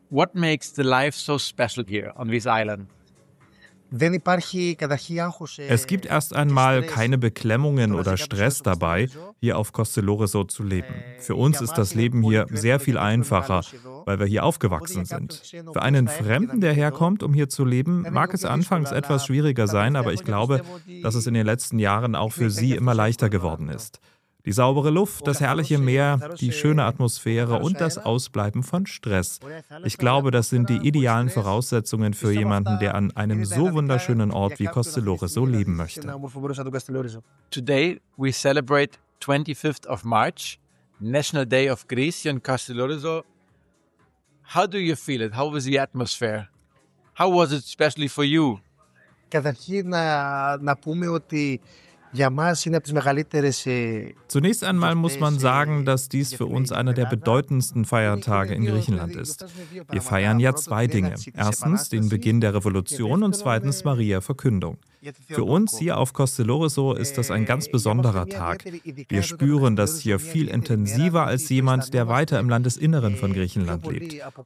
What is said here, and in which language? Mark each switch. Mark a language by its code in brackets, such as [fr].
[en] What makes the life so special here on this island? [de] Es gibt erst einmal keine Beklemmungen oder Stress dabei, hier auf Kastelodeso zu leben. Für uns ist das Leben hier sehr viel einfacher, weil wir hier aufgewachsen sind. Für einen Fremden, der herkommt, um hier zu leben, mag es anfangs etwas schwieriger sein, aber ich glaube, dass es in den letzten Jahren auch für sie immer leichter geworden ist. Die saubere Luft, das herrliche Meer, die schöne Atmosphäre und das Ausbleiben von Stress. Ich glaube, das sind die idealen Voraussetzungen für jemanden, der an einem so wunderschönen Ort wie Kastelodeso leben möchte. [en] Today we celebrate 25th of March, National Day of Greece in Kastelodeso. How do you feel it? How was the atmosphere? How was it especially for you? [el] Καταρχήν να πούμε ότι για μας είναι από τις μεγαλύτερες. [de] Zunächst einmal muss man sagen, dass dies für uns einer der bedeutendsten Feiertage in Griechenland ist. Wir feiern ja zwei Dinge. Erstens den Beginn der Revolution und zweitens Maria Verkündung. Für uns hier auf Kastelodeso ist das ein ganz besonderer Tag. Wir spüren das hier viel intensiver als jemand, der weiter im Landesinneren von Griechenland lebt.